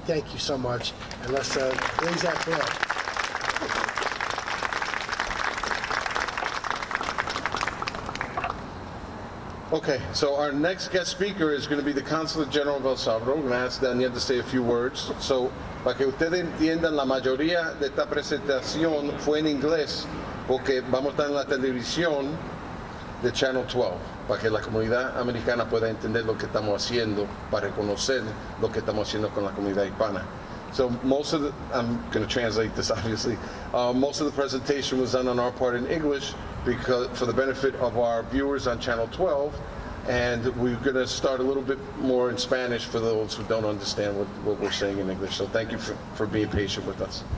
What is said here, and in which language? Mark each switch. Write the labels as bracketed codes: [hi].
[en] Thank you so much. And let's raise that flag. Okay, so our next guest speaker is going to be the Consulate General of El Salvador. We're going to ask Daniel to say a few words. [es] So, para que ustedes entiendan, la mayoría de esta presentación fue en inglés, porque vamos a estar en la televisión de Channel 12, para que la comunidad americana pueda entender lo que estamos haciendo, para reconocer lo que estamos haciendo con la comunidad hispana. [en] So most of the, I'm going to translate this, obviously. Most of the presentation was done on our part in English because for the benefit of our viewers on Channel 12. And we're going to start a little bit more in Spanish for those who don't understand what we're saying in English. So thank you for being patient with us.